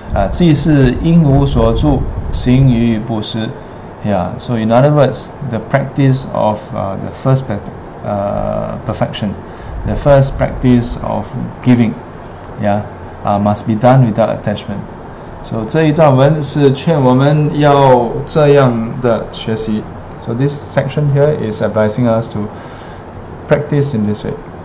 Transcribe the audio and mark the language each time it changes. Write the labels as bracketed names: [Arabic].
[Chinese] 即是因无所住行于布施.Yeah. [English] So in other words, the practice of the first perfectperfection, the first practice of giving, yeah, must be done without attachment. [Chinese] So 这一段文是劝我们要这样的学习. [English] So this section here is advising us to practice in this way.